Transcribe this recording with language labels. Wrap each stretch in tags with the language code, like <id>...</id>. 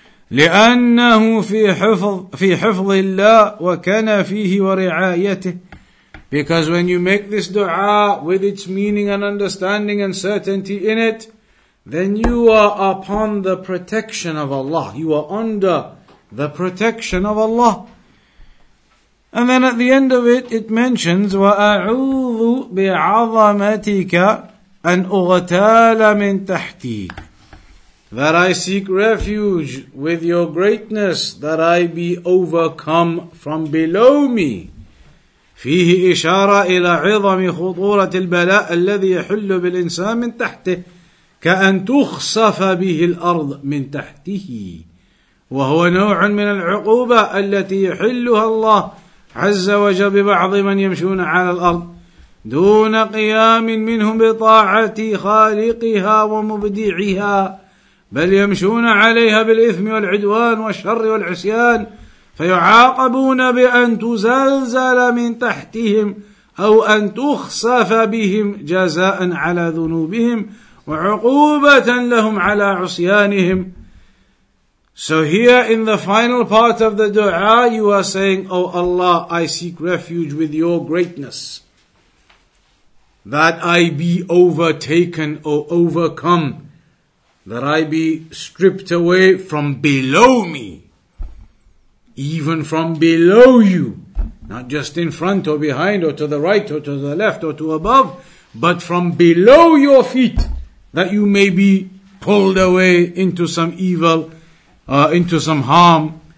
<ar>لأنه في حفظ الله وكان فيه ورعايته.</ar> <en>Because when you make this dua with its meaning and understanding and certainty in it, then you are upon the protection of Allah. You are under the protection of Allah. And then at the end of it, it mentions,</en> <ar>وَأَعُوذُ بِعَظَمَتِكَ أَنْ أُغْتَالَ مِنْ تَحْتِي.</ar> <en>That I seek refuge with your greatness, that I be overcome from below me.</en> <ar>فيه إشارة إلى عظم خطورة البلاء الذي يحل بالإنسان من تحته كأن تخصف به الأرض من تحته. وهو نوع من العقوبة التي يحلها الله عز وجل ببعض من يمشون على الأرض دون قيام منهم بطاعة خالقها ومبدعها بل يمشون عليها بالإثم والعدوان والشر والعصيان فيعاقبون بأن تزلزل من تحتهم أو أن تخسف بهم جزاء على ذنوبهم وعقوبة لهم على عصيانهم.</ar> <en>So here in the final part of the dua, you are saying, O Allah, I seek refuge with your greatness, that I be overtaken or overcome, that I be stripped away from below me, even from below you, not just in front or behind or to the right or to the left or to above, but from below your feet, that you may be pulled away into some evil, into some harm.</en>